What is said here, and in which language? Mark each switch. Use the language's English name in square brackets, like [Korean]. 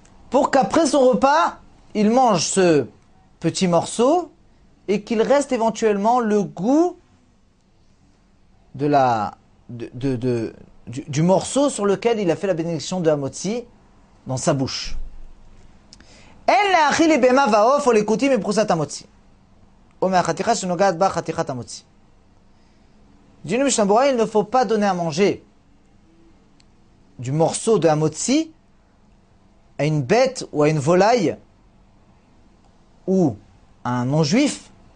[French] pour qu'après son repas, il mange ce petit morceau et qu'il reste éventuellement le goût de la, du morceau sur lequel il a fait la bénédiction de Hamotzi dans sa bouche. [Hebrew] אין להאכיל לבהמה ועוף או לקוטים מפרוסת המוציא. או מהחתיכה שנוגעת בה חתיכת המוציא. דיון משנבורה, [French] il ne faut pas donner à manger du morceau de המוציא à une bête ou à une volaille ou à un non-juif.